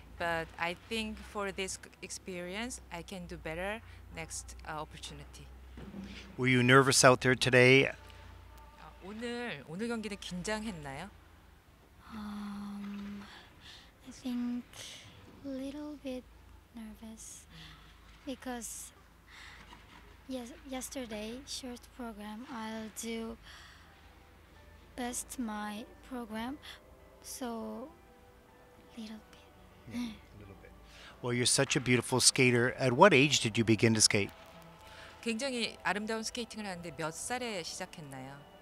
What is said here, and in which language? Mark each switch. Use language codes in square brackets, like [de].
[en] But I think for this experience, I can do better next opportunity. Were you nervous out there today? [ko] 오늘 경기는 긴장했나요? [en] I think a little bit nervous because yesterday short program I'll do best my program, so little. Well, you're such a beautiful skater. At what age did you begin to skate? [ko] 굉장히 아름다운 스케이팅을 하는데 몇 살에 시작했나요?